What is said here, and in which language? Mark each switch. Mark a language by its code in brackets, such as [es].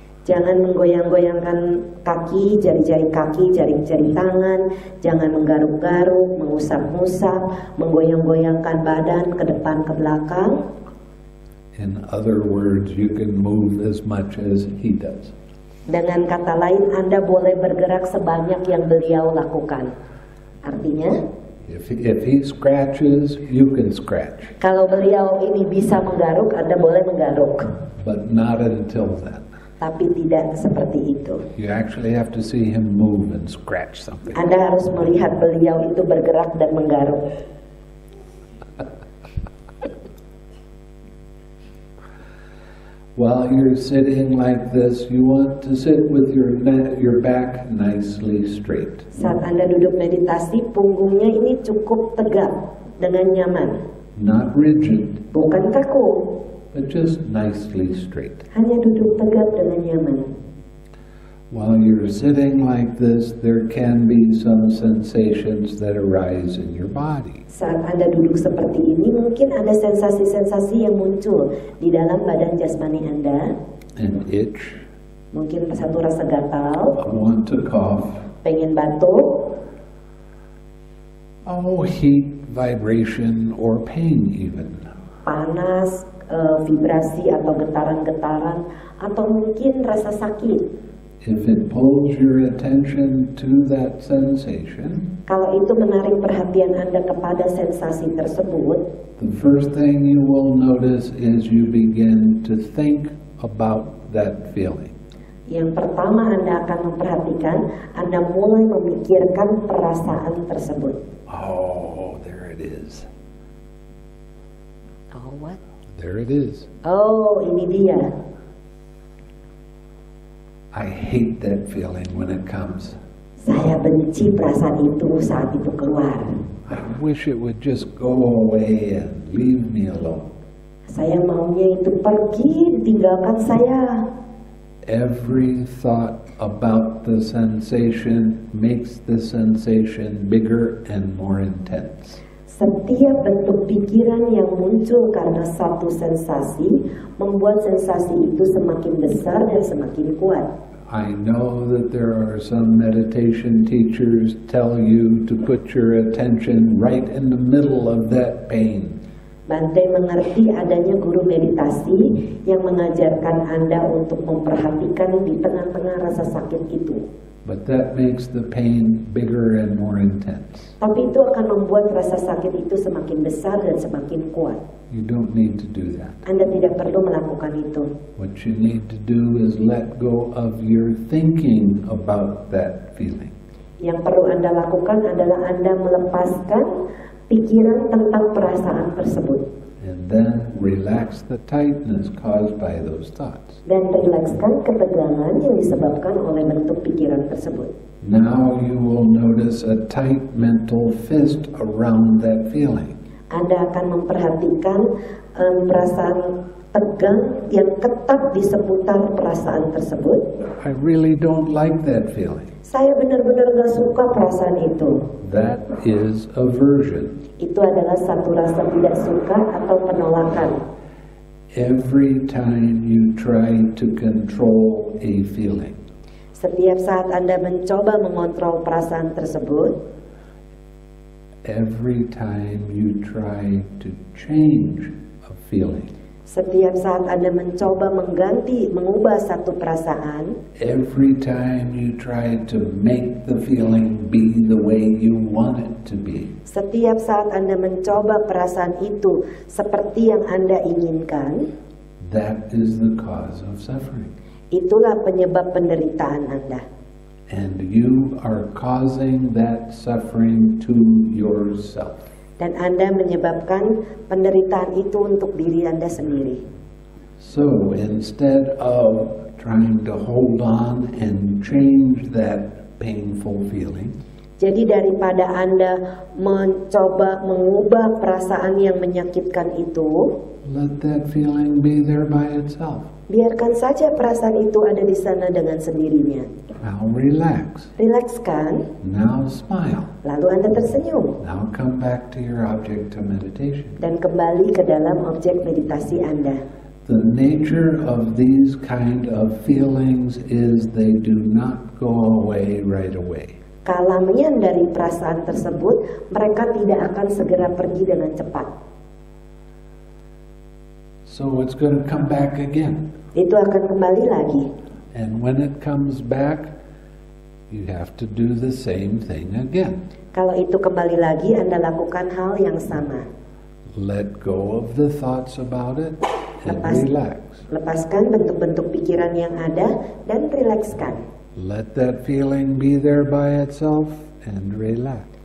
[id] Jangan menggoyang-goyangkan kaki, jari-jari kaki, jari-jari tangan, jangan menggaruk-garuk, mengusap-usap, menggoyang-goyangkan badan ke depan ke belakang. [en] In other words, you can move as much as he does. [id] Dengan kata lain, Anda boleh bergerak sebanyak yang beliau lakukan. Artinya, [en] if he scratches, you can scratch. [id] Kalau beliau ini bisa menggaruk, Anda boleh menggaruk. [en] But not until then. [id] Tapi tidak seperti itu. [en] You actually have to see him move and scratch something. [id] Anda harus melihat beliau itu bergerak dan menggaruk. [en] While you're sitting like this, you want to sit with your back nicely straight. [id] Saat Anda duduk meditasi, punggungnya ini cukup tegak dengan nyaman. [en] Not rigid. [id] Bukan kaku. [en] But just nicely straight. [id] Hanya duduk tegak dengan nyaman. [en] While you're sitting like this, there can be some sensations that arise in your body. [id] Saat Anda duduk seperti ini, mungkin ada sensasi-sensasi yang muncul di dalam badan jasmani Anda. [en] An itch. [id] Mungkin satu rasa gatal. [en] I want to cough. [id] Pengen batuk. [en] Oh, heat, vibration, or pain even. [id] Panas. Vibrasi atau getaran-getaran atau mungkin rasa sakit. [en] If it pulls your attention to that sensation, [id] kalau itu menarik perhatian Anda kepada sensasi tersebut, [en] the first thing you will notice is you begin to think about that feeling. [id] Yang pertama Anda akan memperhatikan, Anda mulai memikirkan perasaan tersebut. [en] Oh, there it is. Oh, what? There it is. [id] Oh, ini dia. [en] I hate that feeling when it comes. [id] Saya benci perasaan itu saat itu keluar. [en] I wish it would just go away and leave me alone. [id] Saya maunya itu pergi, tinggalkan saya. [en] Every thought about the sensation makes the sensation bigger and more intense. [id] Setiap bentuk pikiran yang muncul karena satu sensasi membuat sensasi itu semakin besar dan semakin kuat. [en] I know that there are some meditation teachers tell you to put your attention right in the middle of that pain. [id] Bante mengerti adanya guru meditasi yang mengajarkan Anda untuk memperhatikan di tengah-tengah rasa sakit itu. [en] But that makes the pain bigger and more intense. [id] Tapi itu akan membuat rasa sakit itu semakin besar dan semakin kuat. [en] You don't need to do that. [id] Anda tidak perlu melakukan itu. [en] What you need to do is let go of your thinking about that feeling. [id] Yang perlu Anda lakukan adalah Anda melepaskan pikiran tentang perasaan tersebut. [en] And then relax the tightness caused by those thoughts. [id] Dan relakskan ketegangan yang disebabkan oleh bentuk pikiran tersebut. [en] Now you will notice a tight mental fist around that feeling. [id] Anda akan memperhatikan perasaan tegang yang ketat di seputar perasaan tersebut. [en] I really don't like that feeling. [id] Saya benar-benar gak suka perasaan itu. [en] That is aversion. [id] Itu adalah satu rasa tidak suka atau penolakan. [en] every time you try to control a feeling. [id] Setiap saat Anda mencoba mengontrol perasaan tersebut. [en] Every time you try to change a feeling. [id] Setiap saat Anda mencoba mengganti, mengubah satu perasaan. [en] Every time you try to make the feeling be the way you want it to be. [id] Setiap saat Anda mencoba perasaan itu seperti yang Anda inginkan. [en] That is the cause of suffering. [id] Itulah penyebab penderitaan Anda. [en] And you are causing that suffering to yourself. [id] Dan Anda menyebabkan penderitaan itu untuk diri Anda sendiri. [en] So instead of trying to hold on and change that painful feeling, [id] jadi daripada Anda mencoba mengubah perasaan yang menyakitkan itu, [en] let that feeling be there by itself. [id] Biarkan saja perasaan itu ada di sana dengan sendirinya. [en] Now relax. [id] Relaxkan. [en] Now smile. [id] Lalu Anda tersenyum. [en] Now come back to your object of meditation. [id] Dan kembali ke dalam objek meditasi Anda. [en] The nature of these kind of feelings is they do not go away right away. [id] Kalamian dari perasaan tersebut, mereka tidak akan segera pergi dengan cepat. [en] So it's going to come back again. [id] Itu akan kembali lagi. [en] And when it comes back, you have to do the same thing again. [id] Kalau itu kembali lagi, Anda lakukan hal yang sama. [en] Let go of the thoughts about it and relax. [id] Lepaskan bentuk-bentuk pikiran yang ada dan rilekskan. [en] Let that feeling be there by itself and relax.